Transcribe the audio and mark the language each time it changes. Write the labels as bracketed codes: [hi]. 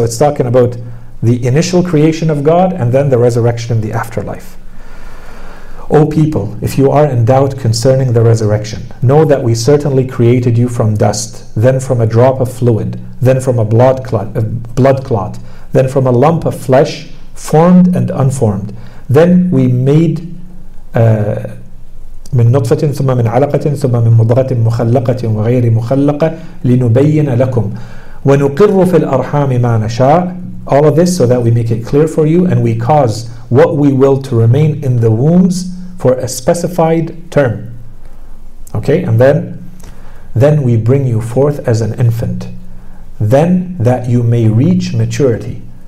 [en] So it's talking about the initial creation of God and then the resurrection in the afterlife. O people, if you are in doubt concerning the resurrection, know that we certainly created you from dust, then from a drop of fluid, then from a blood clot, then from a lump of flesh, formed and unformed. Then we made [ar] من نطفة ثم من علقة ثم من مضغة مخلقة وغير مخلقة لنبين لكم ونقر في الأرحام ما نشاء. [en] All of this so that we make it clear for you, and we cause what we will to remain in the wombs for a specified term. Okay, and then we bring you forth as an infant, then that you may reach maturity.